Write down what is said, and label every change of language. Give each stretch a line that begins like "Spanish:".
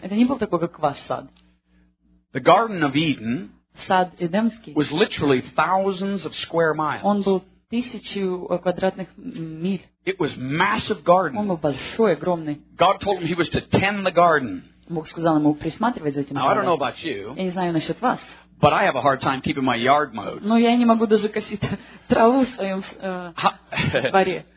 Russian: Это не был такой, как ваш сад.
English: The Garden of Eden
Russian: Сад Эдемский,
English: was literally thousands of square miles.
Russian: Он был тысячу квадратных миль.
English: It was massive garden.
Russian: Он был большой, огромный.
English: God told him he was to tend the garden.
Russian: Бог сказал ему присматривать за этим садом.
English: Now, I don't know about you.
Russian: Я не знаю насчет вас.
English: But I have a hard time keeping my yard mowed.
Russian: Но я не могу даже косить траву в своем дворе.